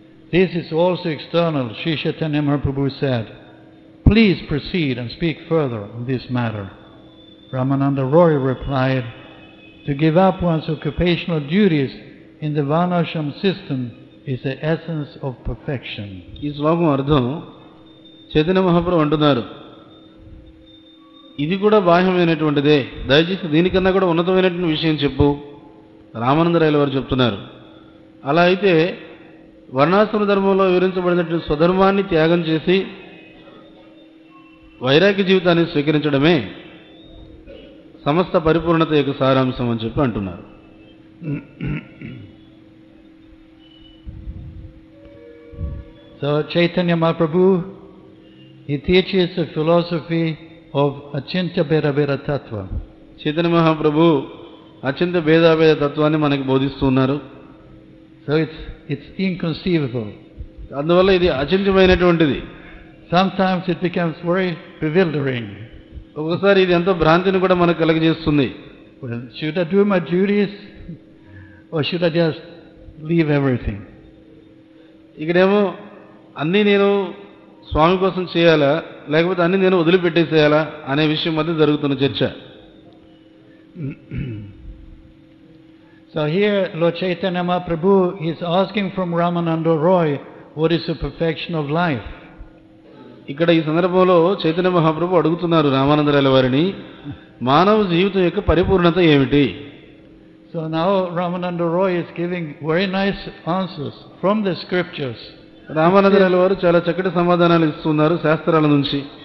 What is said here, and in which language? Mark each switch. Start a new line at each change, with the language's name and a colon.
English: This is also external. Sri Chaitanya Mahaprabhu said, please proceed and speak further on this matter. Ramananda Roy replied, to give up one's occupational duties in the Vanashram system is the essence of perfection.
Telugu: ఈ శ్లోకం అర్థం చైతన్య మహాప్రభు అంటున్నారు, ఇది కూడా బాహ్యమైనటువంటిదే, దయచేసి దీనికన్నా కూడా ఉన్నతమైనటువంటి విషయం చెప్పు. రామానందరాయల వారు చెప్తున్నారు, అలా అయితే వర్ణాశ్రమ ధర్మంలో వివరించబడినటువంటి స్వధర్మాన్ని త్యాగం చేసి వైరాగ్య జీవితాన్ని స్వీకరించడమే సమస్త పరిపూర్ణత యొక్క సారాంశం అని చెప్పి అంటున్నారు.
English: So Chaitanya Mahaprabhu he teaches the philosophy of Achintya Bhedabheda తత్వం.
Telugu: చైతన్య మహాప్రభు అచింత్య భేదాభేద తత్వాన్ని మనకి బోధిస్తున్నారు.
English: So it's inconceivable.
Telugu: అందువల్ల ఇది అచింత్యమైనటువంటిది.
English: Sometimes it becomes very bewildering.
Telugu: ఒకసారి ఇది ఎంతో భ్రాంతిని కూడా మనకు కలగజేస్తుంది.
English: Should I do my duties or should I just leave everything?
Telugu: ఇక్కడేమో అన్ని నేను స్వామి కోసం చేయాలా లేకపోతే అన్ని నేను వదిలిపెట్టేసేయాలా అనే విషయం మధ్య జరుగుతున్న చర్చ.
English: So here Lord Chaitanya Mahaprabhu is asking from Ramananda Roy, what is the perfection of life?
Telugu: ఇక్కడ ఈ సందర్భంలో చైతన్య మహాప్రభు అడుగుతున్నారు రామానందరాయల వారిని, మానవ జీవితం యొక్క పరిపూర్ణత ఏమిటి?
English: So now Ramananda Ray is giving very nice answers from the scriptures.
Telugu: రామానందరాయల వారు చాలా చక్కటి సమాధానాలు ఇస్తున్నారు శాస్త్రాల నుంచి.